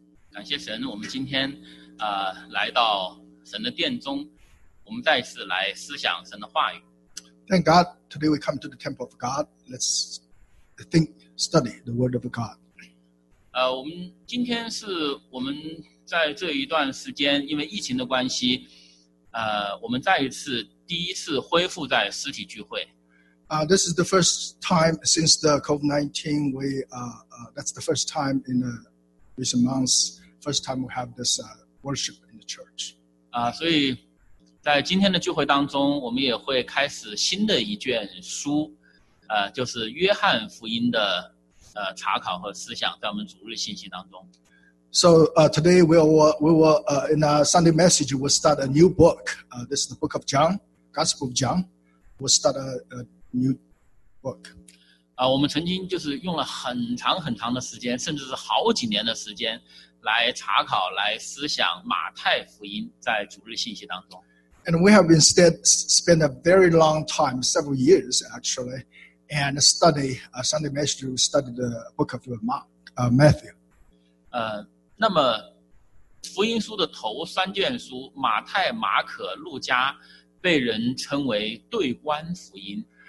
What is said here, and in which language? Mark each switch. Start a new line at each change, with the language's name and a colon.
Chinese: 感谢神，我们今天来到神的殿中，我们再次来思想神的话语。
English: Thank God, today we come to the temple of God. Let's think, study the word of God.
Chinese: 我们今天是我们在这一段时间，因为疫情的关系，我们再一次第一次恢复在实体聚会。
English: This is the first time since the COVID-19. That's the first time in the recent months. First time we have this worship in the church.
Chinese: 所以在今天的聚会当中，我们也会开始新的一卷书，就是约翰福音的查考和思想，在我们主日信息当中。
English: So today we will in a Sunday message we'll start a new book. This is the book of John, Gospel of John. We'll start a new book.
Chinese: 我们曾经就是用了很长很长的时间，甚至是好几年的时间，来查考、来思想马太福音在主日信息当中。
English: And we have instead spent a very long time, several years actually, and study Sunday message. We studied the book of Matthew.
Chinese: 那么福音书的头三卷书马太、马可、路加被人称为对观福音。